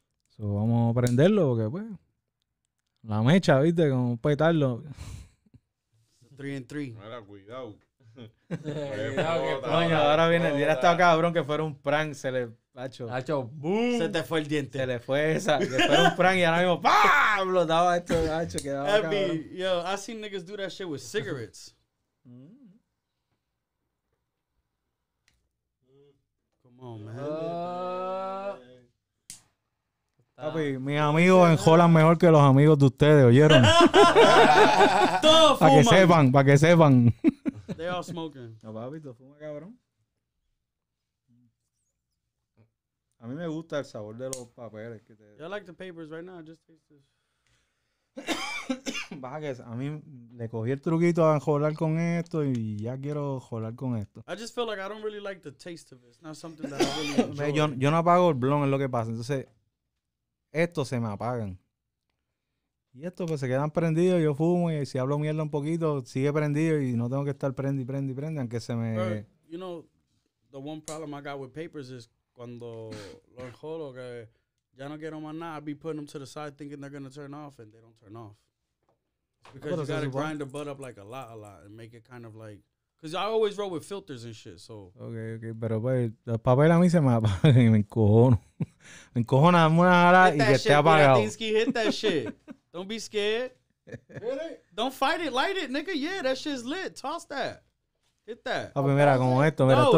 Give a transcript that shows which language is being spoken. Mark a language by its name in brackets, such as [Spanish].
[Spanish] So, vamos a prenderlo porque, pues, la mecha, viste, como petarlo. [English] 3 and 3. [Spanish] Mira, cuidado. Coño, ahora viene, hubiera estado cabrón que fuera un prank, se le... Hacho, boom. Se te fue el diente. Se le fue esa. Le fue un prank y ahora mismo, ¡pam! Lo daba esto, Hacho. Quedaba Abby, [English] yo, I seen niggas do that shit with cigarettes. Come on, man. [Spanish] Papi, mis amigos enjolan mejor que los amigos de ustedes, ¿oyeron? Todos fuman. Para que sepan. [English] They all smoking. [Spanish] No, papi, tú fuma, cabrón. A mí me gusta el sabor de los papeles que te... [English] I like the papers right now. Just taste this. [Spanish] Vagues, a mí le cogí el truquito a jolar con esto y ya quiero jolar con esto. [English] I just feel like I don't really like the taste of it. It's not something that I really enjoy. [Spanish] Yo no apago el blon, es lo que pasa. Entonces, estos se me apagan. Y estos pues se quedan prendidos, yo fumo y si hablo mierda un poquito, sigue prendido y no tengo que estar prendi, aunque se me... [English] You know, the one problem I got with papers is [Spanish] cuando lo enjolo, que ya no quiero más nada, [English] I be putting them to the side thinking they're going to turn off, and they don't turn off. It's because you got to grind the butt up like a lot, and make it kind of like... Because I always roll with filters and shit, so... [Spanish] Okay, pero pues, el papel a mí se me apaga y me encojono. Me encojona, dame una hora y que esté apagado. [English] Hit that shit. Don't be scared. Don't fight it, light it, nigga. Yeah, that shit's lit. Toss that. Hit that. [Spanish] Papi, mira, como esto. Mira, no,